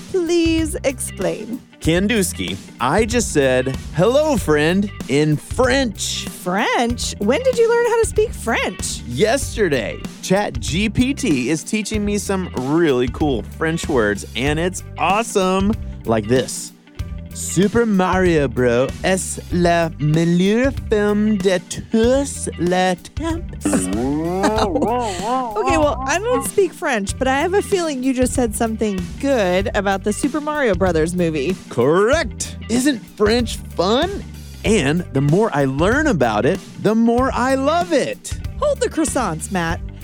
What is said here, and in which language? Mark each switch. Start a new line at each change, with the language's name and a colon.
English: Please explain. Kandusky, I just said, hello, friend, in French. French? When did you learn how to speak French? Yesterday. ChatGPT is teaching me some really cool French words, and it's awesome. Like this.
French: Super Mario Bro est le meilleur film de tous les temps.
English: Okay, well, I don't speak French, but I have a feeling you just said something good about the Super Mario Brothers movie. Correct. Isn't French fun? And the more I learn about it, the more I love it. Hold the croissants, Matt.